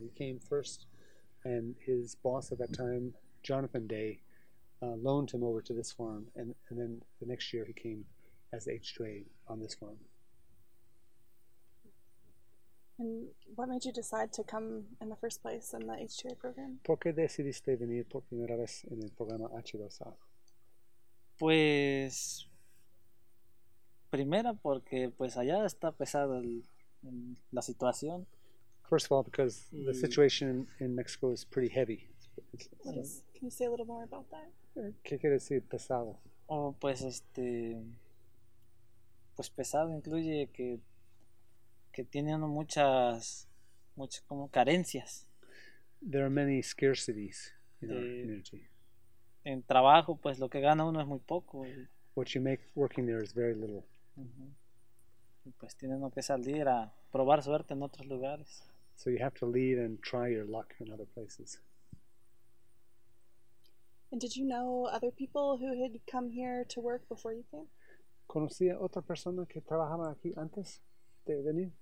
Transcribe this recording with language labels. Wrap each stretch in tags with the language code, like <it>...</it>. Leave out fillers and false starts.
<en>He came first and his boss at that time, Jonathan Day, loaned him over to this farm. And then the next year he came as H2A on this farm. And what made you decide to come in the first place in the H2A program?</en> <es>¿Por qué decidiste venir por primera vez en el programa H2A? Pues, primera porque pues allá está pesada la situación.</es> <en>First of all, because the situation in Mexico is pretty heavy. Can you say a little more about that?</en> <es>¿Qué quiere decir pesado? Oh, pues pues pesado incluye que tiene uno muchas como carencias.</es> <en>there are many scarcities in our community.</en> <es>En trabajo, pues lo que gana uno es muy poco.</es> <en>What you make working there is very little. Uh-huh.</en> <es>Pues tienen que salir a probar suerte en otros lugares.</es> <en>So you have to leave and try your luck in other places. And did you know other people who had come here to work before you came?</en> <es>¿Conocí a otra persona que trabajaba aquí antes de venir?</es>